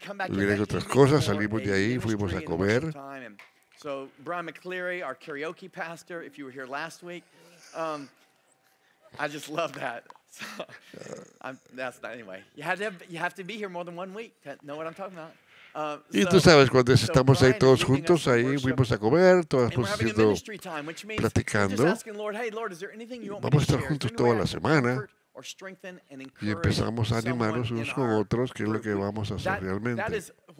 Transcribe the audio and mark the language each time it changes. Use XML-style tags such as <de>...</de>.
<es>Vienen otras cosas, salimos de ahí, fuimos a comer.</es> <en>So Brian McCleary, our karaoke pastor, if you were here last week. I just love that. So, that's not anyway. You have to be here more than 1 week to know what I'm talking about.</en> <es>Y tú sabes, cuando estamos ahí todos juntos, ahí fuimos a comer, todos hemos sido platicando. Vamos a estar juntos toda la semana y empezamos a animarnos unos con otros, qué es lo que vamos a hacer realmente.</es>